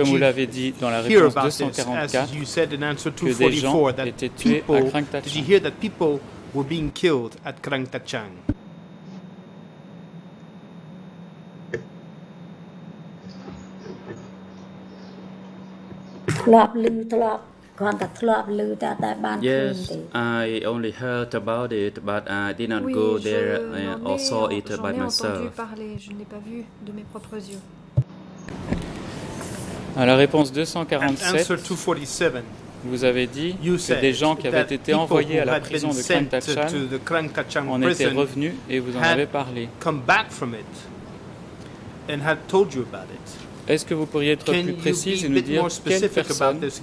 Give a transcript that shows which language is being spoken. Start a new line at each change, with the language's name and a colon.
French: comme vous l'avez dit dans la réponse 244, que des gens étaient tués à Krang Tachan?
English: Did you hear that people were being killed at Krang Tachan? Yes, I only heard about it, but I did not go there or saw it by myself.
French: Je n'ai pas vu de mes propres yeux. À la réponse 247, vous avez dit que des gens qui avaient été envoyés à la prison de Krang Tachan en étaient revenus et vous en avez parlé.
English: Come back from it and had told you about it.
French: Est-ce que vous pourriez être plus précis et nous dire quelle personne